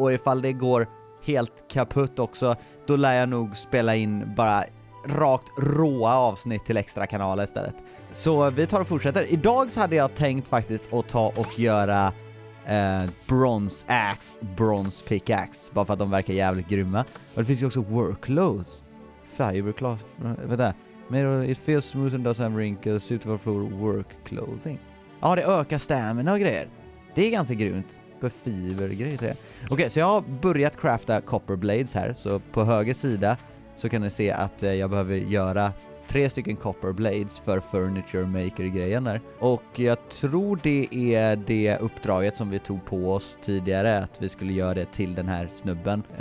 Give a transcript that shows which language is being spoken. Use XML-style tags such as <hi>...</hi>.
<sv>Och ifall det går helt kaputt också, då lär jag nog spela in bara rakt råa avsnitt till extra kanaler istället. Så vi tar och fortsätter. Idag så hade jag tänkt faktiskt att ta och göra bronze axe, bronze pickaxe, bara för att de verkar jävligt grymma. Och det finns ju också workloads. Fiberclothes, vad är det?</sv> <en>It feels smooth and doesn't wrinkle, suitable for work clothing.</en> <sv>Ja, det ökar stamina och grejer. Det är ganska grymt. Fiber grej till det. Okej, så jag har börjat crafta copper blades här. Så på höger sida så kan ni se att jag behöver göra 3 stycken copper blades för furniture maker grejen där. Och jag tror det är det uppdraget som vi tog på oss tidigare, att vi skulle göra det till den här snubben.</sv>